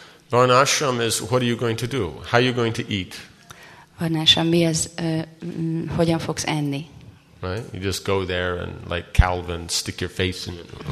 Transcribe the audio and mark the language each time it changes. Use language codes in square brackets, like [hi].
[en] Varnasham is, what are you going to do? How are you going to eat? [hu] Varnasham, mi az, hogyan fogsz enni? [en] Right? You just go there and, like Calvin, stick your face in it.